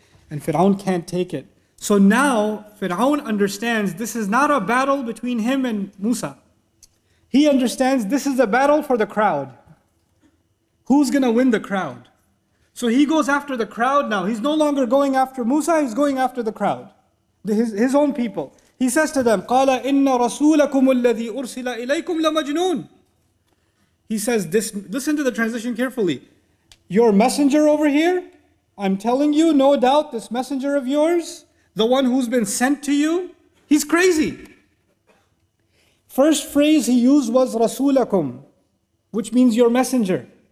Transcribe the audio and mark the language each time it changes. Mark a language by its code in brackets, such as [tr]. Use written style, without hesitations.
[en] And Fir'aun can't take it. So now, Fir'aun understands this is not a battle between him and Musa. He understands this is a battle for the crowd. Who's going to win the crowd? So he goes after the crowd now. He's no longer going after Musa, he's going after the crowd. His own people. He says to them, [ar] قَالَ إِنَّ رَسُولَكُمُ الَّذِي أُرْسِلَ إِلَيْكُمْ لَمَجْنُونَ. [en] He says, listen to the transition carefully. Your messenger over here, I'm telling you, no doubt, this messenger of yours, the one who's been sent to you, he's crazy. First phrase he used was Rasulakum, which means your messenger.